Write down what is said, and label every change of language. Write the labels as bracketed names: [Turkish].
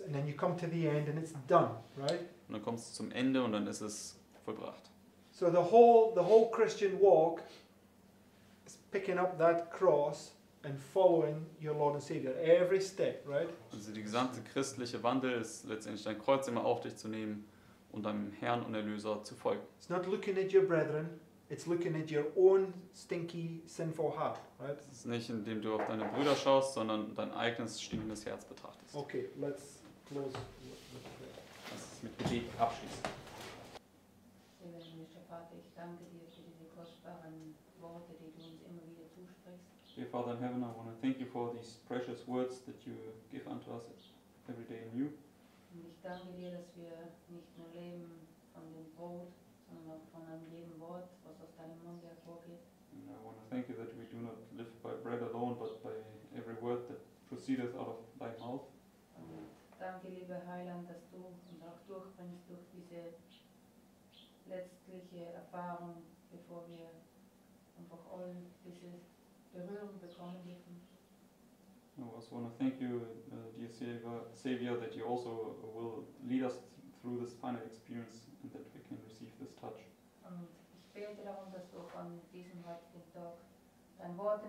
[English] And then you come to the end and it's done, right? [German] Und dann kommst du zum Ende und dann ist es vollbracht. [English] So the whole Christian walk is picking up that cross and following your Lord and Savior every step, right? [German] Also die gesamte christliche Wandel ist letztendlich dein Kreuz immer auf dich zu nehmen und deinem Herrn und Erlöser zu folgen. [English] It's not looking at your brethren, it's looking at your own stinky, sinful heart, right? [German] Es ist nicht, indem du auf deine Brüder schaust, sondern dein eigenes stinkendes Herz betrachtest. [English] Okay, let's close. [German] Lass es mit Gebet abschließen. Vater, ich danke dir für diese kostbaren Worte, die du uns immer wieder zusprichst. [English] Dear Father in Heaven, I want to thank you for these precious words that you give unto us every day anew. [German] Und ich danke dir, dass wir nicht nur leben von dem Brot, sondern auch von einem jedem Wort, was aus deinem Mund hervorgeht. [English] And I want to thank you that we do not live by bread alone, but by every word that proceedeth out of thy mouth. [German] Und danke, lieber Heiland, dass du uns auch durchbringst durch diese letztliche Erfahrung, bevor wir einfach all dieses [English] I also want to thank you, dear Savior, that you also will lead us through this final experience and that we can receive this touch. And